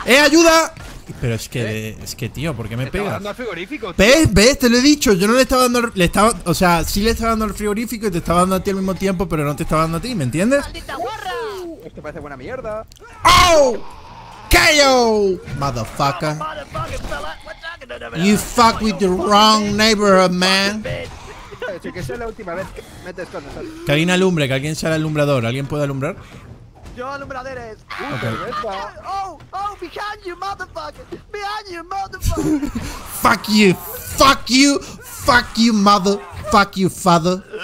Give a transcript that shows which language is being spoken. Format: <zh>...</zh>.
<es>¡Eh, ayuda! Pero es que, ¿eh? Es que, tío, ¿por qué me pegas? Estaba dando al frigorífico, tío. ¿Ves? ¿Ves? Te lo he dicho. Yo no le estaba dando. Le estaba, o sea, sí le estaba dando al frigorífico y te estaba dando a ti al mismo tiempo, pero no te estaba dando a ti, ¿me entiendes? ¡Maldita guarra! Esto parece buena mierda.</es> <en>¡Oh! ¡KO! Motherfucker. You fuck with the wrong neighborhood, man.</en> <es>Que sea la última vez que metes con nosotros. Que alguien alumbre, que alguien sea el alumbrador. ¿Alguien puede alumbrar? Yo alumbraderes.</es> <en>Okay. Oh, oh, behind you, motherfucker. Behind you, motherfucker. Fuck you, fuck you. Fuck you, mother. Fuck you, father.</en>